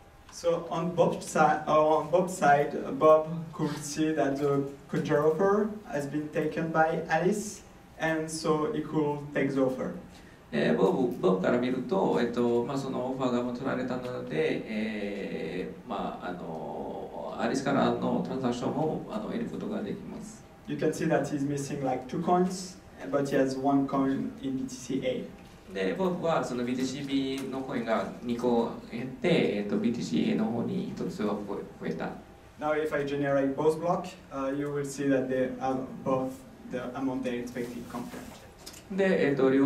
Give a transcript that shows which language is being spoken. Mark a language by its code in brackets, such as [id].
[en] So on Bob's side, Bob could see that the counter offer has been taken by Alice, and so he could take the offer. [ja] Bob から見ると、そのオファーがもう取られたので、アリスからのトランザクションも得ることができます。 [en] You can see that he's missing like two coins, but he has one coin in BTC A. [ja] で、僕はその BTCBのコインが2個減って、BTCAの方に1つは増えた。 [en] Now if I generate both block, you will see that they are both the amount they expected confirmed.